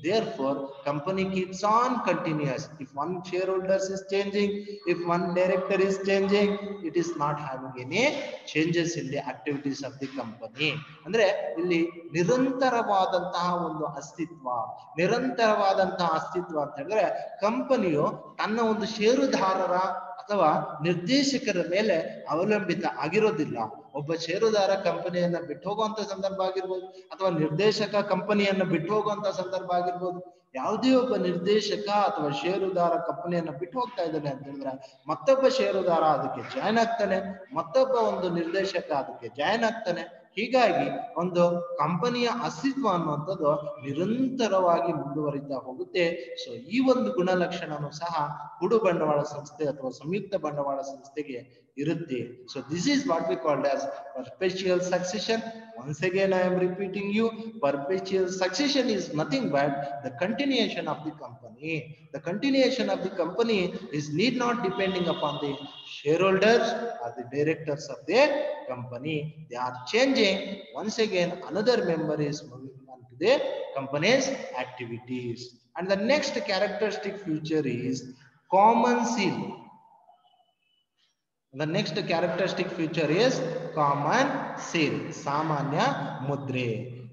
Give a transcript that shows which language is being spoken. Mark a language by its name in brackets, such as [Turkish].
[English] Therefore, company keeps on continuous. If one shareholder is changing, if one director is changing, it is not having any changes in the activities of the company. [Kannada] Andre illi nirantaravadantaha ondu astitva, nirantaravadantaha astitva anta andre company tanna ondu sharedarara ಅಥವಾ ನಿರ್ದೇಶಕರ ಮೇಲೆ ಅವಲಂಬಿತ ಆಗಿರೋದಿಲ್ಲ. ಒಬ್ಬ ಷೇರುದಾರ ಕಂಪನಿಯನ್ನ ಬಿಟ್ಟು ಹೋಗುವಂತ ಸಂದರ್ಭ ಆಗಿರ್ಬೋದು, ಅಥವಾ ನಿರ್ದೇಶಕ ಕಂಪನಿಯನ್ನ ಬಿಟ್ಟು ಹೋಗುವಂತ ಸಂದರ್ಭ ಆಗಿರ್ಬೋದು. ಯಾವುದೇ ಒಬ್ಬ ನಿರ್ದೇಶಕ ಅಥವಾ ಷೇರುದಾರ ಕಂಪನಿಯನ್ನ ಬಿಟ್ಟು ಹೋಗ್ತಾ ಇದ್ದಾನೆ ಅಂತ ಹೇಳಿದ್ರೆ ಮತ್ತೊಬ್ಬ ಷೇರುದಾರ ಅದಕ್ಕೆ ಜಾಯ್ನ್ ಆಗ್ತಾನೆ, ಮತ್ತೊಬ್ಬ ಒಂದು ನಿರ್ದೇಶಕ ಅದಕ್ಕೆ ಜಾಯ್ನ್ ಆಗ್ತಾನೆ. ಹೀಗಾಗಿ ಒಂದು ಕಂಪನಿಯ ಅಸ್ತಿತ್ವ ಅನ್ನುವಂಥದ್ದು ನಿರಂತರವಾಗಿ ಮುಂದುವರಿತಾ ಹೋಗುತ್ತೆ. ಸೊ ಈ ಒಂದು ಗುಣಲಕ್ಷಣನೂ ಸಹ ಕುಡು ಬಂಡವಾಳ ಸಂಸ್ಥೆ ಅಥವಾ ಸಂಯುಕ್ತ ಬಂಡವಾಳ ಸಂಸ್ಥೆಗೆ ಇರುತ್ತೆ. [English] So this is what we called as perpetual succession. Once again I am repeating you, perpetual succession is nothing but the continuation of the company. The continuation of the company is need not depending upon the shareholders or the directors of the company. They are changing. Once again, another member is moving on to the company's activities. And the next characteristic feature is common seal. The next characteristic feature is common seal, [Kannada] samanya mudre.